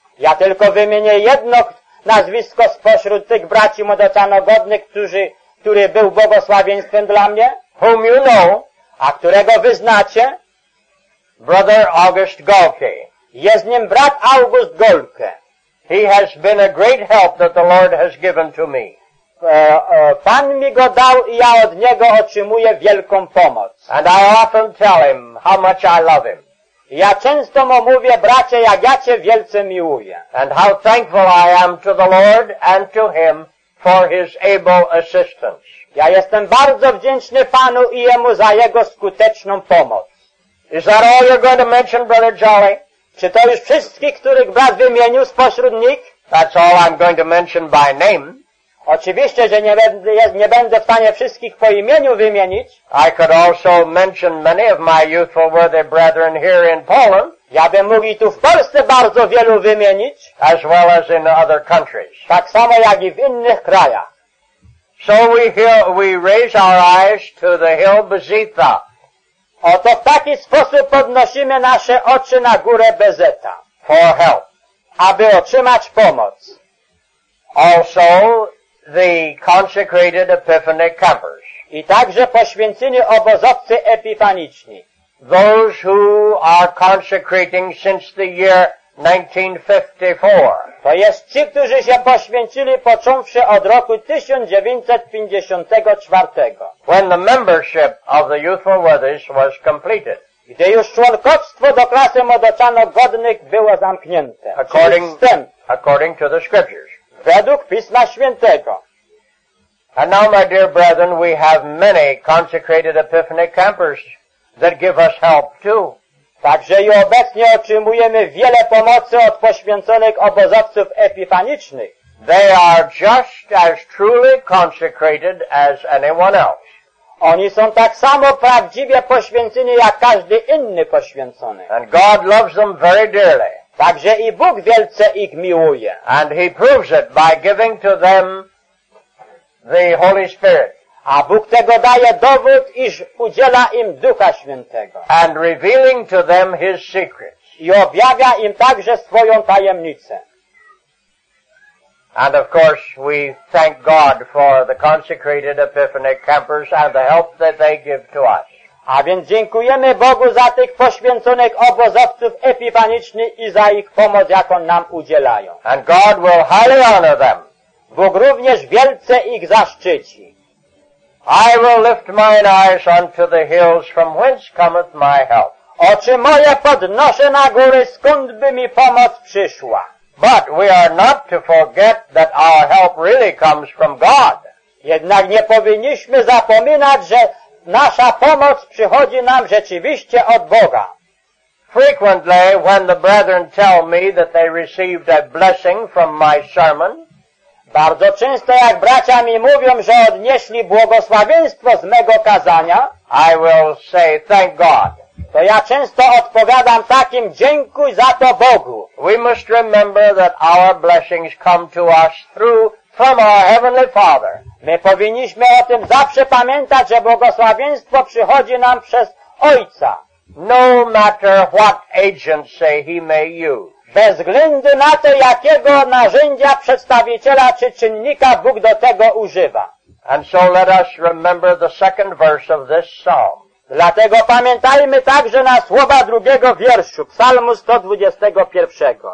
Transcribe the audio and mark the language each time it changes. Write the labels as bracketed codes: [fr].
[pl] Ja tylko wymienię jedno nazwisko spośród tych braci młodocianogodnych, który był błogosławieństwem dla mnie. [en] Whom you know. [pl] A którego wy znacie. [en] Brother August Golke. [pl] Jest nim brat August Golke. [en] He has been a great help that the Lord has given to me. [pl] Pan mi go dał i ja od niego otrzymuję wielką pomoc. [en] And I often tell him how much I love him. [pl] Ja często mu mówię, bracie, jak ja cię wielce miłuję. [en] And how thankful I am to the Lord and to him for his able assistance. [pl] Ja jestem bardzo wdzięczny panu i jemu za jego skuteczną pomoc. [en] Is that all you're going to mention, Brother Jolly? [pl] Czy to już wszystkich, których brat wymienił spośród nich? [en] That's all I'm going to mention by name. [pl] Oczywiście, że nie będę w stanie wszystkich po imieniu wymienić. [en] I could also mention many of my youthful worthy brethren here in Poland. [pl] Ja bym mógł tu w Polsce bardzo wielu wymienić. [en] As well as in other countries. [pl] Tak samo jak i w innych krajach. [en] So we raise our eyes to the hill Bezeta. [pl] Oto w taki sposób podnosimy nasze oczy na górę Bezeta. [en] For help. [pl] Aby otrzymać pomoc. [en] Also the consecrated epiphany campers. [pl] I także poświęceni obozowcy epifaniczni. [en] Those who are consecrating since the year 1954. [pl] To jest ci, którzy się poświęcili począwszy od roku 1954. [en] When the membership of the Youthful Worthies was completed. [pl] Gdy już członkostwo do klasy młodocianogodnych było zamknięte. [en] According to the scriptures. [pl] Według Pisma Świętego. [en] And now, my dear brethren, we have many consecrated epiphany campers that give us help too. [pl] Także i obecnie otrzymujemy wiele pomocy od poświęconych obozowców epifanicznych. [en] They are just as truly consecrated as anyone else. [pl] Oni są tak samo prawdziwie poświęceni jak każdy inny poświęcony. [en] And God loves them very dearly. [pl] Także i Bóg wielce ich miłuje. [en] And he proves it by giving to them the Holy Spirit. [pl] A Bóg tego daje dowód, iż udziela im Ducha Świętego. [en] And revealing to them his secrets. [pl] I objawia im także swoją tajemnicę. [en] And of course we thank God for the consecrated epiphany campers and the help that they give to us. [pl] A więc dziękujemy Bogu za tych poświęconych obozowców epifanicznych i za ich pomoc, jaką nam udzielają. [en] And God will highly honor them. [pl] Bóg również wielce ich zaszczyci. [en] I will lift mine eyes unto the hills from whence cometh my help. [pl] Oczy moje podnoszę na góry, skąd by mi pomoc przyszła. [en] But we are not to forget that our help really comes from God. [pl] Jednak nie powinniśmy zapominać, że nasza pomoc przychodzi nam rzeczywiście od Boga. [en] Frequently, when the brethren tell me that they received a blessing from my sermon, [pl] bardzo często jak bracia mi mówią, że odnieśli błogosławieństwo z mego kazania, [en] I will say, thank God. [pl] To ja często odpowiadam takim, dziękuj za to Bogu. [en] We must remember that our blessings come to us through from our Heavenly Father. [pl] My powinniśmy o tym zawsze pamiętać, że błogosławieństwo przychodzi nam przez Ojca. [en] No matter what agency he may use. [pl] Bez względu na to, jakiego narzędzia, przedstawiciela czy czynnika Bóg do tego używa. [en] And so let us remember the second verse of this psalm. [pl] Dlatego pamiętajmy także na słowa drugiego wierszu, psalmu 121.